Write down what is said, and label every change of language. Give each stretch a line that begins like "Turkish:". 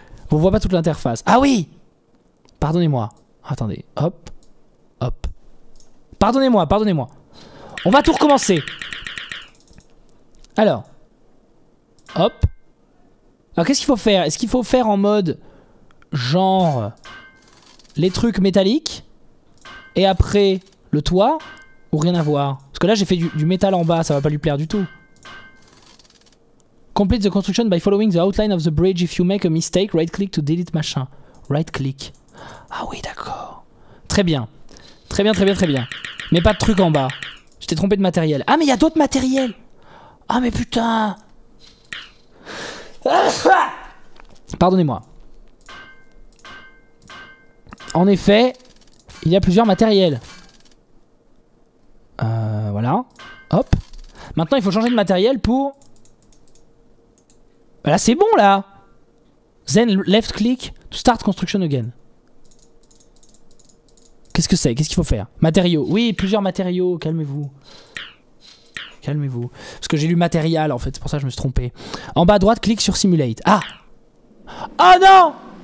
French: On voit pas toute l'interface. Ah oui. Pardonnez-moi. Attendez, hop. Pardonnez-moi, pardonnez-moi. On va tout recommencer. Alors. Hop. Alors qu'est-ce qu'il faut faire? Est-ce qu'il faut faire en mode genre les trucs métalliques et après le toit ou rien à voir? Parce que là j'ai fait du métal en bas, ça va pas lui plaire du tout.
English: Complete the construction by following the outline of the bridge. If you make a mistake, right click to delete machin.
French: Right click. Ah oui, d'accord. Très bien. Très bien, très bien, très bien. Mais pas de truc en bas. J'étais trompé de matériel. Ah, mais il y a d'autres matériels. Ah, mais putain. Pardonnez-moi. En effet, il y a plusieurs matériels. Voilà. Hop. Maintenant, il faut changer de matériel pour... Là, c'est bon, là.
English: Then left click to start construction again.
French: Qu'est-ce que c'est? Qu'est-ce qu'il faut faire? Matériaux. Oui, plusieurs matériaux. Calmez-vous. Calmez-vous. Parce que j'ai lu matériel, en fait. C'est pour ça que je me suis trompé. En bas à droite, clique sur Simulate. Ah! Oh non!